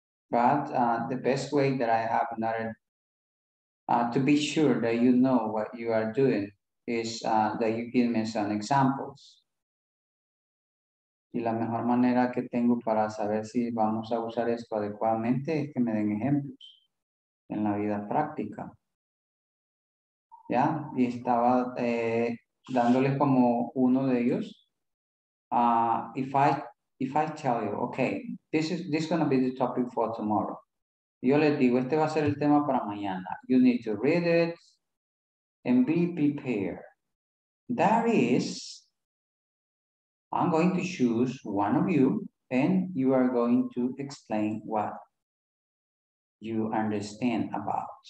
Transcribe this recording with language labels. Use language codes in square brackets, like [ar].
[en] But the best way that I have learned to be sure that you know what you are doing is that you give me some examples. [es] Y la mejor manera que tengo para saber si vamos a usar esto adecuadamente es que me den ejemplos en la vida práctica. ¿Ya? Y estaba dándoles como uno de ellos. [en] If I tell you, okay, this is going to be the topic for tomorrow. [es] Yo les digo, este va a ser el tema para mañana. [en] You need to read it and be prepared. That is, I'm going to choose one of you and you are going to explain what you understand about.